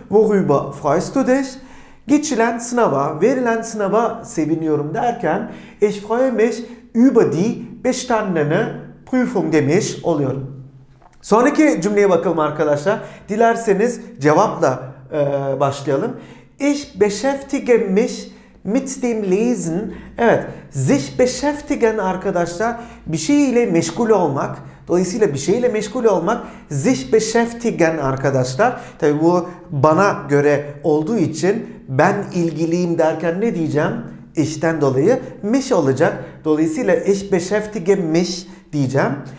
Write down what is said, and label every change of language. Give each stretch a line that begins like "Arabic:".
German: Worüber freust du dich?
Turkish: Geçilen sınava, verilen sınava seviniyorum derken
German: ich freue mich über die bestandene Prüfung
Turkish: demiş oluyorum. Sonraki cümleye bakalım arkadaşlar. Dilerseniz cevapla başlayalım.
German: Ich beschäftige mich mit dem Lesen.
Turkish: Evet, sich beschäftigen arkadaşlar bir şey ile meşgul olmak. Dolayısıyla bir şey ile meşgul olmak. Sich beschäftigen arkadaşlar. Tabii bu bana göre olduğu için ben ilgiliyim derken ne diyeceğim? İşten dolayı mich olacak. Dolayısıyla
German: ich beschäftige mich
Turkish: diyeceğim.